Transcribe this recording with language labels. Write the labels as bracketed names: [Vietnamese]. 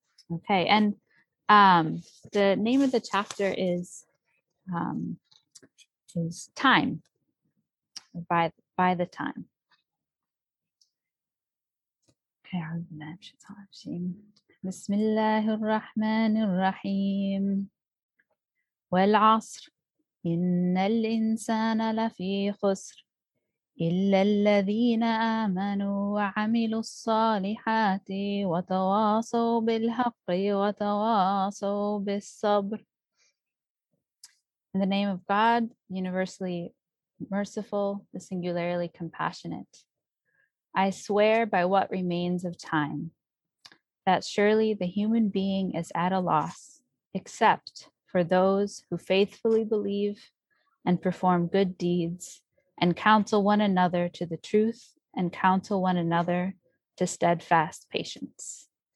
[English] Okay, and the name of the chapter is Time, by the Time. Okay, I'll read the name, Shatashim. [Arabic] بسم الله الرحمن الرحيم والعصر إن الإنسان لفي خسر إلا الذين آمنوا وعملوا الصالحات وتواصوا بالحق وتواصوا بالصبر. [English] In the name of God, universally merciful, the singularly compassionate, I swear by what remains of time that surely the human being is at a loss, except for those who faithfully believe and perform good deeds and counsel one another to the truth and counsel one another to steadfast patience.